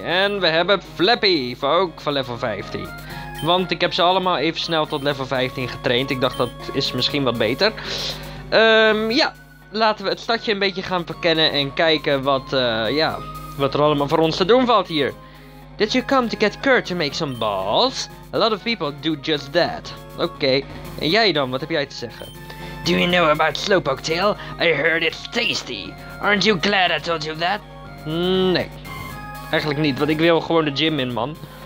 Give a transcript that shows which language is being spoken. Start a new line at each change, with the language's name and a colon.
Dutch: En we hebben Flappy, ook van level 15. Want ik heb ze allemaal even snel tot level 15 getraind. Ik dacht dat is misschien wat beter. Ja, laten we het stadje een beetje gaan verkennen en kijken wat, wat er allemaal voor ons te doen valt hier.
English: Did you come to get Kurt to make some balls? A lot of people do just that.
Dutch: Oké, en jij dan, wat heb jij te zeggen?
English: Do you know about Slowpoke Tail? I heard it's tasty. Aren't you glad I told you that?
Dutch: Nee. Eigenlijk niet, want ik wil gewoon de gym in, man.